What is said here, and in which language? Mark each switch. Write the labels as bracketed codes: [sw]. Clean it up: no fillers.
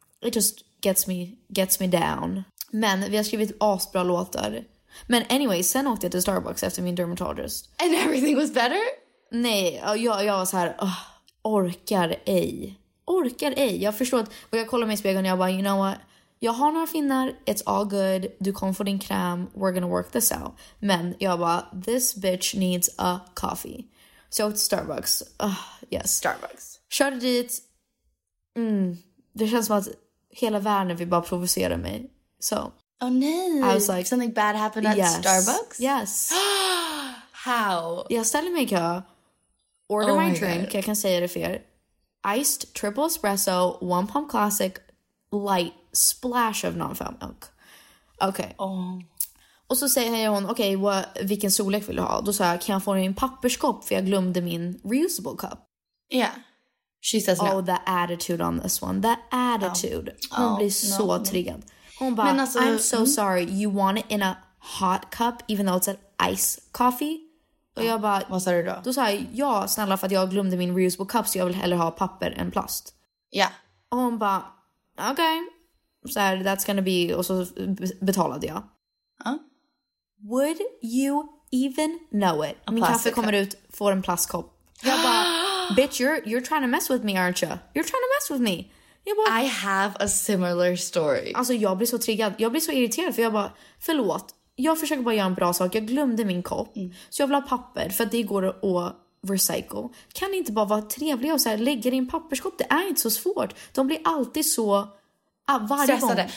[en] It just gets me down. [sv] Men vi har skrivit asbra låtar. Men anyway, sen åkte jag till Starbucks efter min dermatologist. [en] And everything was better? [sv] Nej, jag var så här, orkar ej. Orkar ej. Jag förstår att, och jag kollar mig i spegeln och jag bara, [en] you know what? [sv] Jag har några finnar, [en] it's all good. [sv] Du kommer få din kräm, [en] we're gonna work this out. [sv] Men jag bara, [en] this bitch needs a coffee. [sv] Så jag åkte Starbucks. Yes. Starbucks. Körde dit. Det känns som att hela världen vill bara provocera mig. [en] So. Oh no. I was like, something bad happened at Starbucks? Yes. How? [sv] Jag ställer mig i kö, [en] order my drink, God. [sv] Jag kan säga det för er. [en] Iced triple espresso, one pump classic, light splash of non-fat milk. [sv] Okej. [en] Okay. [sv] Och så säger hon, okej, vilken storlek vill du ha? Då sa jag, kan jag få en papperskopp för jag glömde min reusable cup? [en] Yeah. She says no. Oh, the attitude on this one. The attitude. Oh. [sv] Hon blir så triggad. Hon bara, men alltså, [en] I'm so sorry, you want it in a hot cup even though it's an ice coffee? [sv] Och jag bara, vad sa du då? Då sa jag, ja, snälla, för att jag glömde min reusable cup, så jag vill hellre ha papper än plast. Ja. Och hon bara, okej. Så här, [en] that's gonna be, [sv] och så betalade jag. Ja. [en] Would you even know it? [sv] A min kaffe kommer ut, får en plastkopp. Jag bara, [en] bitch, you're trying to mess with me, aren't you? You're trying to mess with me. I have a similar story. [sv] Alltså jag blir så triggad. Jag blir så irriterad för jag bara, förlåt. Jag försöker bara göra en bra sak. Jag glömde min kopp. Mm. Så jag vill ha papper för att det går att recycle. Kan inte bara vara trevlig och så här, lägga in papperskopp. Det är inte så svårt. De blir alltid så... stressade.